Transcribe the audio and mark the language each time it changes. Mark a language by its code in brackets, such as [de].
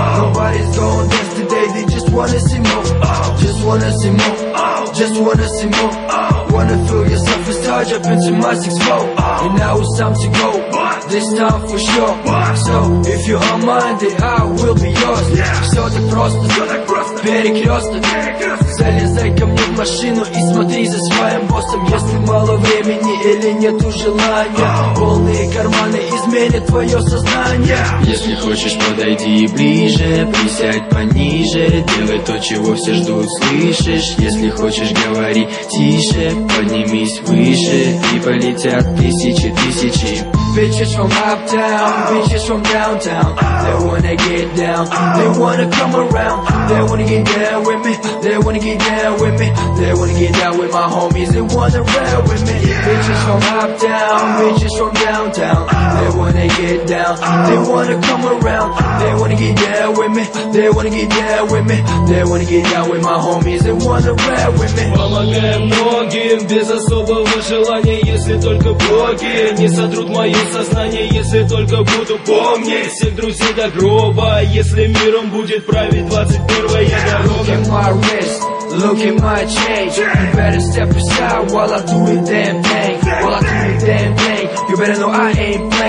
[en] Nobody's gonna dance today, they just wanna see more. Just wanna see more. Just wanna see more. Wanna feel yourself as charge up into my 6-4. And now it's time to go. This time for sure. So if you are mine, then I will be yours. [ru] Все так просто, перекресток. Залезай ко мне в машину и смотри за своим боссом. Если мало времени или нету желания, полные карманы изменят твое сознание. Если хочешь, подойди ближе, присядь пониже. Делай то, чего все ждут, слышишь? Если хочешь, говори тише. Поднимись выше и полетят тысячи, тысячи. [en] Bitches from uptown, bitches from downtown. They wanna get down, they wanna come around. They wanna get down with me, they wanna get down with me. They wanna get down with my homies, they wanna ride with me. Bitches from uptown, bitches from downtown. They wanna get down, they wanna come around. They wanna get down with me, they wanna get down with me. They wanna get down with my homies, they wanna ride with me. [ru] Помогаем многим без особого желания. Если только боги не сотрут мои сознание, если только буду помнить всех друзей до гроба. Если миром будет править 21-я дорога. [en] Look at my wrist, look at my chain. You better step aside while I do the damn thing. While I do the damn thing, you better know I ain't playing.